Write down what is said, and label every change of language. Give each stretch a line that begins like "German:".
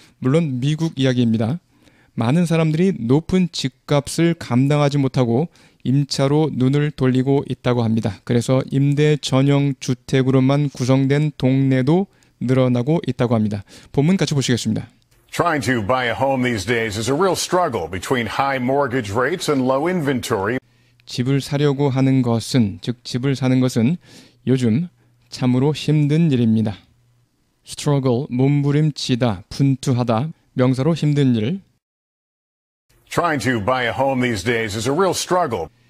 Korean: 물론 미국 이야기입니다. 많은 사람들이 높은 집값을 감당하지 못하고 임차로 눈을 돌리고 있다고 합니다. 그래서 임대 전용 주택으로만 구성된 동네도 늘어나고 있다고 합니다. 본문 같이 보시겠습니다.
English: Trying to buy a home these days is a real struggle between high mortgage rates and low inventory.
Korean: 집을 사려고 하는 것은, 즉 집을 사는 것은 요즘 참으로 힘든 일입니다. Struggle, 몸부림치다, 분투하다, 명사로 힘든 일.
English: Trying to buy a home these days is a real struggle.